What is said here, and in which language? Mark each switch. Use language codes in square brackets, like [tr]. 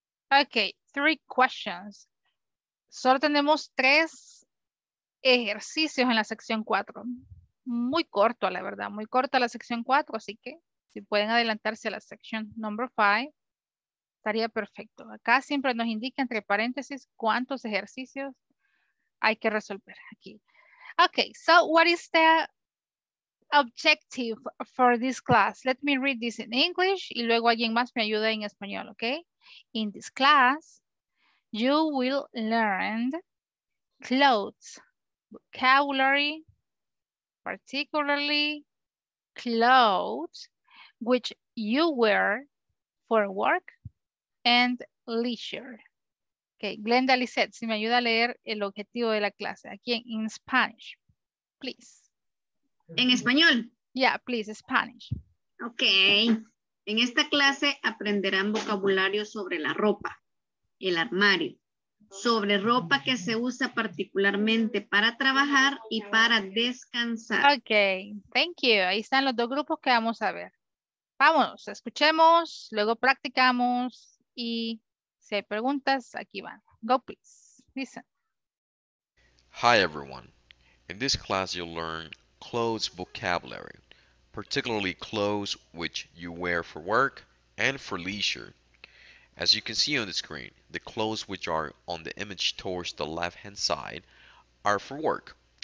[en] Okay, 3 questions. [es] Solo tenemos 3 ejercicios en la sección 4. Muy corto, la verdad, muy corta la sección 4, así que si pueden adelantarse a la [en] section number 5, [es] estaría perfecto. Acá siempre nos indica entre paréntesis cuántos ejercicios hay que resolver aquí. [en] Ok, so what is the objective for this class? Let me read this in English [es] y luego alguien más me ayuda en español, ok? [en] In this class, you will learn clothes, vocabulary, particularly clothes which you wear for work and leisure. [es] Okay, Glenda Lisette, si me ayuda a leer el objetivo de la clase. [en] Aquí in Spanish, please. [es] ¿En español? [en] Yeah, please, Spanish. Okay. [es] En esta clase aprenderán vocabulario sobre la ropa, el armario, sobre ropa que se usa particularmente para trabajar y para descansar. [en] Ok, thank you. [es] Ahí están los dos grupos que vamos a ver. Vámonos, escuchemos, luego practicamos y si hay preguntas, aquí van. [en] Go, please. Listen. Hi, everyone. In this class, you'll learn clothes vocabulary, particularly clothes which you wear for work and for leisure. As you can see on the screen, the clothes which are on the image towards the left-hand side are for work,